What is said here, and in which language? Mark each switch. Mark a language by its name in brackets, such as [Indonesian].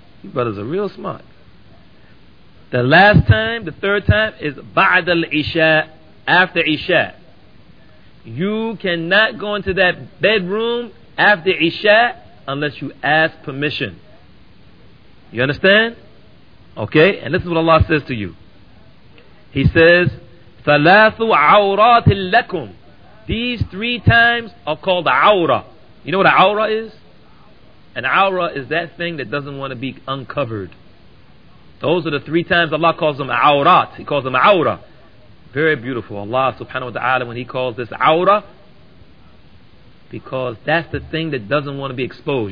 [English] You brothers are real smart. The last time, the third time, is ba'd al-isha, after isha. You cannot go into that bedroom after isha unless you ask permission. You understand? Okay? And listen to what Allah says to you. He says, [Arabic] ثَلَاثُ عَوْرَاتٍ لَكُمْ. [English] These 3 times are called awra. You know what an awra is? An awra is that thing that doesn't want to be uncovered. Those are the 3 times Allah calls them awrat. He calls them awra. Very beautiful. Allah subhanahu wa ta'ala, when He calls this awra, because that's the thing that doesn't want to be exposed.